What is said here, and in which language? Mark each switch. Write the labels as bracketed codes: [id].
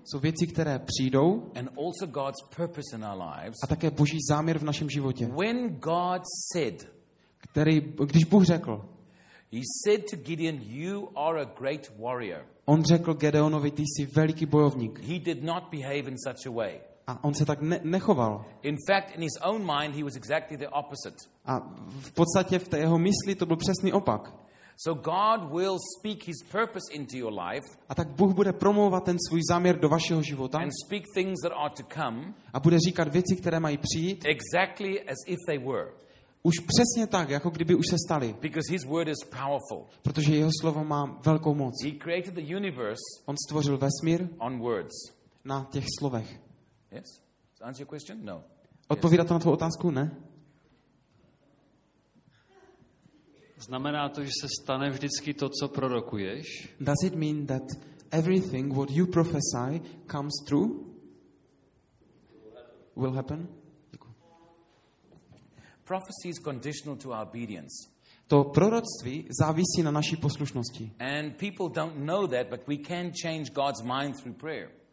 [cs] jsou věci, které přijdou, [en] and also God's purpose in our lives, [cs] a také Boží záměr v našem životě. [en] When God said, [cs] když Bůh řekl, [en] he said to Gideon, you are a great warrior. [cs] On řekl Gedeonovi, ty jsi veliký bojovník. [en] He did not behave in such a way. [cs] A on se tak nechoval. [en] In fact, in his own mind, he was exactly the opposite. [cs] A v podstatě v té jeho mysli to byl přesný opak. [en] So God will speak his purpose into your life. [cs] A tak Bůh bude promlouvat ten svůj záměr do vašeho života. [en] And speak things that are to come. [cs] A bude říkat věci, které mají přijít. [en] Exactly as if they were. [cs] Už přesně tak, jako kdyby už se staly. [en] Because his word is powerful. [cs] Protože jeho slovo má velkou moc. [en] He created the universe. [cs] On stvořil vesmír. [en] On words. [cs] Na těch slovech. [en] Yes? Does answer your question? No. [cs] Odpovídá to na tvou otázku? Ne. Znamená to, že se stane vždycky to, co prorokuješ? [en] Does it mean that everything what you prophesy comes true? Will happen? Prophecy is conditional to our obedience. [cs] To proroctví závisí na naší poslušnosti. [en] And people don't know that, but we can change God's mind through prayer.